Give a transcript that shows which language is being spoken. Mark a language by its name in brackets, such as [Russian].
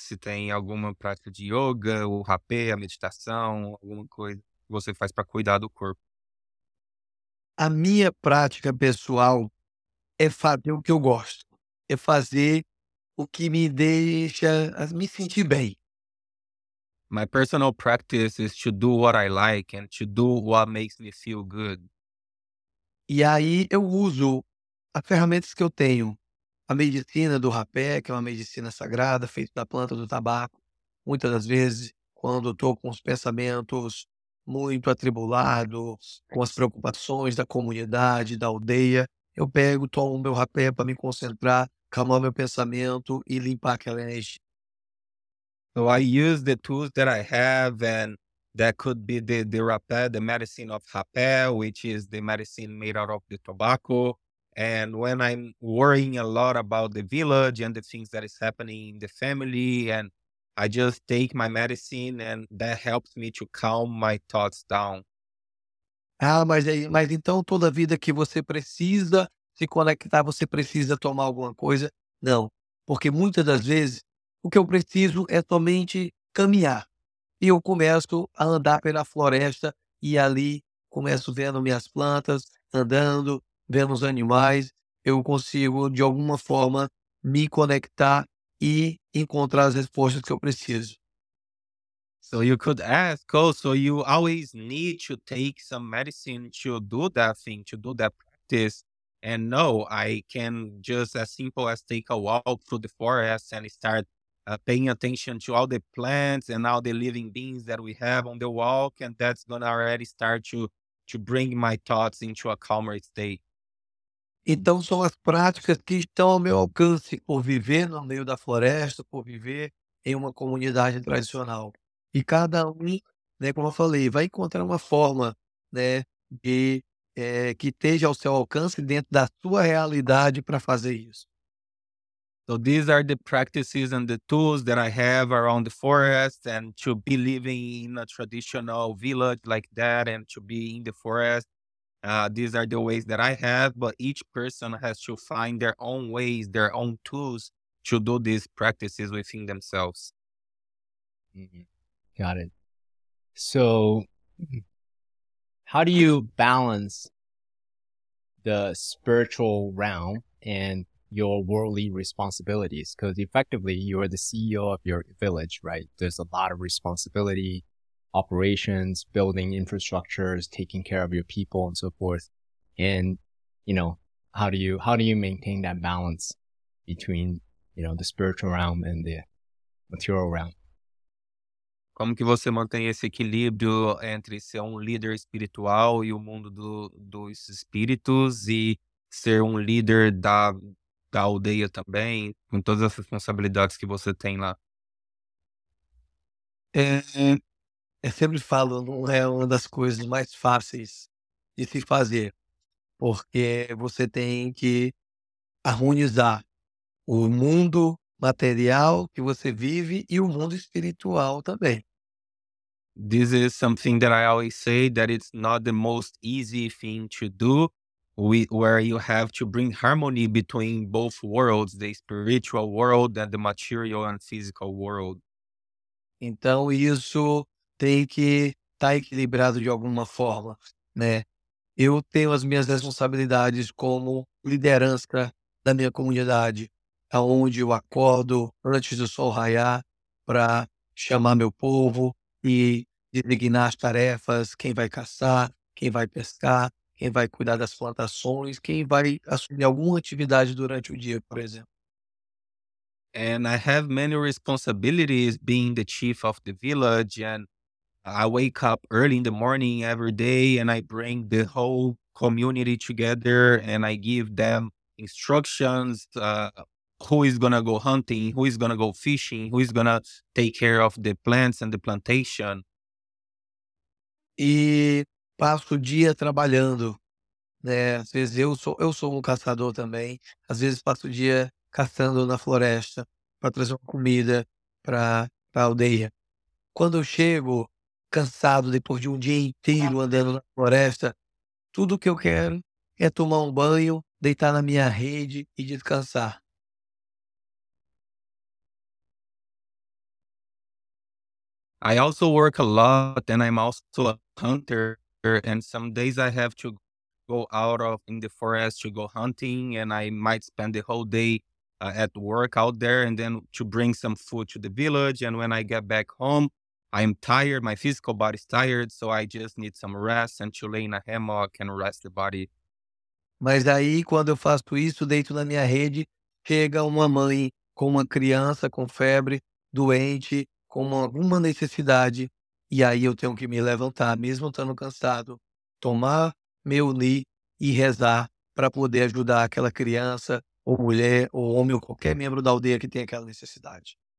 [Portuguese] Se tem alguma prática de yoga, o rapé, a meditação, alguma coisa que você faz para cuidar do corpo? A minha prática pessoal é fazer o que eu gosto. É fazer o que me deixa me sentir bem. [English] My personal practice is to do what I like and to do what makes me feel good. [Portuguese] E aí eu uso as ferramentas que eu tenho. A medicina do rapé, que é uma medicina sagrada, feita da planta do tabaco. Muitas das vezes, quando eu estou com os pensamentos muito atribulados, com as preocupações da comunidade, da aldeia, eu pego, tomo meu rapé para me concentrar, calmar meu pensamento e limpar aquela energia. [English] So I use the tools that I have, and that could be the rapé, the medicine of rapé, which is the medicine made out of the tobacco. And when I'm worrying a lot about the village and the things that is happening in the family, and I just take my medicine, and that helps me to calm my thoughts down. [Portuguese] Ah, mas então toda vida que você precisa se conectar, você precisa tomar alguma coisa? Não, porque muitas das vezes o que eu preciso é somente caminhar. E eu começo a andar pela floresta e ali começo vendo minhas plantas, andando, vendo os animais. Eu consigo, de alguma forma, me conectar e encontrar as respostas que eu preciso. [English] So you could ask, oh, so you always need to take some medicine to do that thing, to do that practice. And no, I can just as simple as take a walk through the forest and start paying attention to all the plants and all the living beings that we have on the walk, and that's going to already start to bring my thoughts into a calmer state. [Portuguese] Então, são as práticas que estão ao meu alcance por viver no meio da floresta, por viver em uma comunidade tradicional. E cada né, como eu falei, vai encontrar uma forma, né, que esteja ao seu alcance dentro da sua realidade para fazer isso. [English] So these are the practices and the tools that I have around the forest, and to be living in a traditional village like that and to be in the forest, these are the ways that I have, but each person has to find their own ways, their own tools to do these practices within themselves. Mm-hmm. Got it. So how do you balance the spiritual realm and your worldly responsibilities? Because effectively, you're the CEO of your village, right? There's a lot of responsibility, operations, building infrastructures, taking care of your people and so forth. And, you know, how do you maintain that balance between, you know, the spiritual realm and the material realm. [Portuguese] Como que você mantém esse equilíbrio entre ser um líder espiritual e o mundo dos espíritos e ser um líder da aldeia também, com todas as responsabilidades que você tem lá? Eu sempre falo, não é uma das coisas mais fáceis de se fazer, porque você tem que harmonizar o mundo material que você vive e o mundo espiritual também. [English] This is something that I always say, that it's not the most easy thing to do, where you have to bring harmony between both worlds, the spiritual world and the material and physical world. [Portuguese] Então, isso tem que estar equilibrado de alguma forma, né? Eu tenho as minhas responsabilidades como liderança da minha comunidade, aonde eu acordo antes do sol raiar para chamar meu povo e designar as tarefas, quem vai caçar, quem vai pescar, quem vai cuidar das plantações, quem vai assumir alguma atividade durante o dia, por exemplo. [English] And I have many responsibilities being the chief of the village, and I wake up early in the morning every day and I bring the whole community together and I give them instructions, who is going to go hunting, who is going to go fishing, who is going to take care of the plants and the plantation. [Portuguese] E passo o dia trabalhando, né? Às vezes eu sou um caçador também. Às vezes passo o dia caçando na floresta para trazer uma comida para a aldeia. Quando eu chego cansado depois de um dia inteiro andando na floresta, tudo que eu quero é tomar um banho, deitar na minha rede e descansar. [English] I also work a lot and I'm also a hunter, and some days I have to go out of in the forest to go hunting, and I might spend the whole day at work out there and then to bring some food to the village, and when I get back home I'm tired, my physical body's tired, so I just need some rest and to lay in a hammock and rest the body. [Portuguese] Mas aí quando eu faço isso, deito na minha rede, chega uma mãe com uma criança com febre, doente, com alguma necessidade, e aí eu tenho que me levantar, mesmo estando cansado, tomar meu li e rezar para poder ajudar aquela criança, ou mulher, ou homem, ou qualquer membro da aldeia que tenha aquela necessidade.